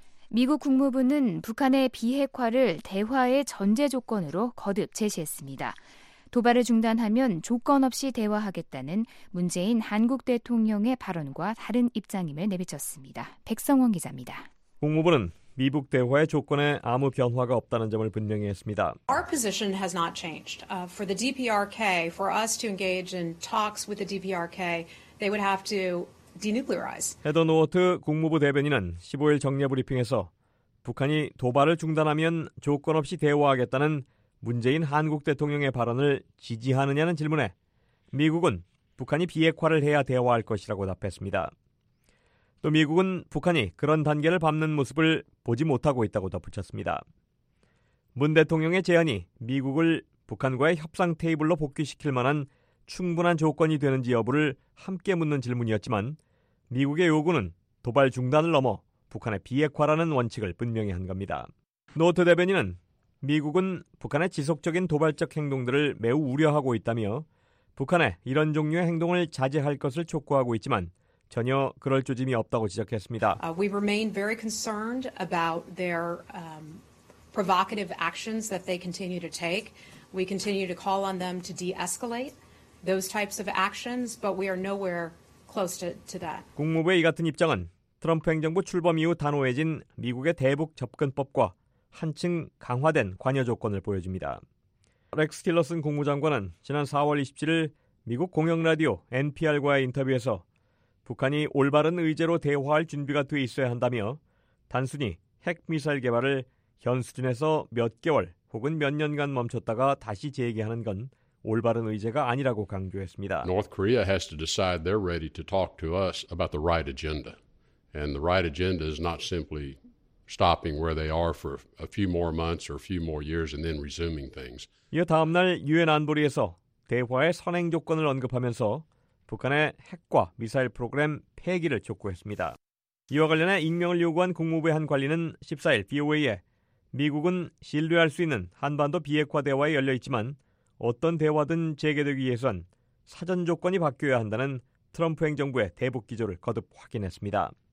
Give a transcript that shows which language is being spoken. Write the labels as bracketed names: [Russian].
[Korean] 미국 국무부는 북한의 비핵화를 대화의 전제 조건으로 거듭 제시했습니다. 도발을 중단하면 조건 없이 대화하겠다는 문재인 한국 대통령의 발언과 다른 입장임을 내비쳤습니다. 백성원 기자입니다. 국무부는 미북 대화의 조건에 아무 변화가 없다는 점을 분명히 했습니다. [English] Our position has not changed. For the DPRK, for us to engage in talks with the DPRK, they would have to denuclearize. [Korean] 헤더 노어트 국무부 대변인은 15일 정례 브리핑에서 북한이 도발을 중단하면 조건 없이 대화하겠다는 문재인 한국 대통령의 발언을 지지하느냐는 질문에 미국은 북한이 비핵화를 해야 대화할 것이라고 답했습니다. 또 미국은 북한이 그런 단계를 밟는 모습을 보지 못하고 있다고 덧붙였습니다. 문 대통령의 제안이 미국을 북한과의 협상 테이블로 복귀시킬 만한 충분한 조건이 되는지 여부를 함께 묻는 질문이었지만 미국의 요구는 도발 중단을 넘어 북한의 비핵화라는 원칙을 분명히 한 겁니다. 노트 대변인은 미국은 북한의 지속적인 도발적 행동들을 매우 우려하고 있다며 북한의 이런 종류의 행동을 자제할 것을 촉구하고 있지만 전혀 그럴 조짐이 없다고 지적했습니다. [English] We remain very concerned about their provocative actions that they continue to take. We continue to call on them to de-escalate those types of actions, but we are nowhere close to that. [Korean] 국무부의 이 같은 입장은 트럼프 행정부 출범 이후 단호해진 미국의 대북 접근법과 한층 강화된 관여 조건을 보여줍니다. 렉스 틸러슨 국무장관은 지난 4월 27일 미국 공영 라디오 NPR과의 인터뷰에서 북한이 올바른 의제로 대화할 준비가 돼 있어야 한다며 단순히 핵미사일 개발을 현 수준에서 몇 개월 혹은 몇 년간 멈췄다가 다시 재개하는 건 올바른 의제가 아니라고 강조했습니다. [English] North Korea has to decide they're ready to talk to us about the right agenda. And the right agenda is not simply stopping where they are for a few more months or a few more years and then resuming things. [Korean] 이어 다음 날 유엔 안보리에서 대화의 선행 조건을 언급하면서 북한의 핵과 미사일 프로그램 폐기를 촉구했습니다. 이와 관련해 익명을 요구한 국무부의 한 관리는 14일 VOA에 미국은 신뢰할 수 있는 한반도 비핵화 대화에 열려 있지만 어떤 대화든 재개되기 위해선 사전 조건이 바뀌어야 한다는 트럼프 행정부의 대북 기조를 거듭 확인했습니다.